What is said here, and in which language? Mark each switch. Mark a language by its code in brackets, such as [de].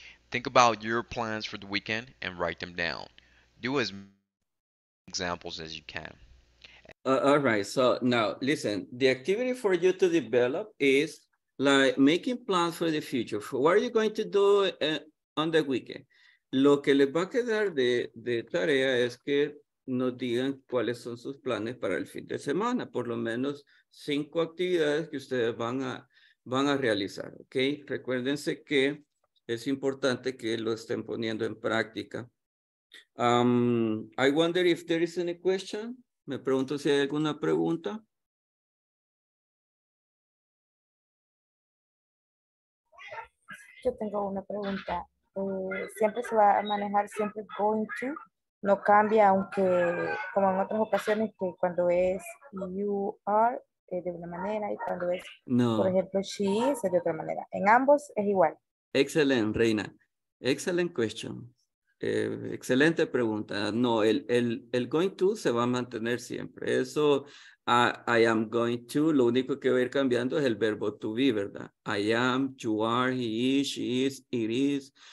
[en] Think about your plans for the weekend and write them down. Do as many examples as you can. All right, so now listen, the activity for you to develop is like making plans for the future. For what are you going to do on the weekend? [es] Lo que les va a quedar de tarea es que nos digan cuáles son sus planes para el fin de semana, por lo menos 5 actividades que ustedes van a realizar, ¿ok? Recuérdense que es importante que lo estén poniendo en práctica. [en] I wonder if there is any question. [es] Me pregunto si hay alguna pregunta. Yo tengo una pregunta. ¿Siempre se va a manejar siempre going to? No cambia, aunque como en otras ocasiones que cuando es [en] you are [es] de una manera y cuando es, no. Por ejemplo, [en] she is [es] de otra manera. En ambos es igual. Excelente, Reina. Excelente question. Excelente pregunta. No, el going to se va a mantener siempre. Eso, [en] I am going to, [es] lo único que va a ir cambiando es el verbo to be, ¿verdad? [en] I am, you are, he is, she is, it is.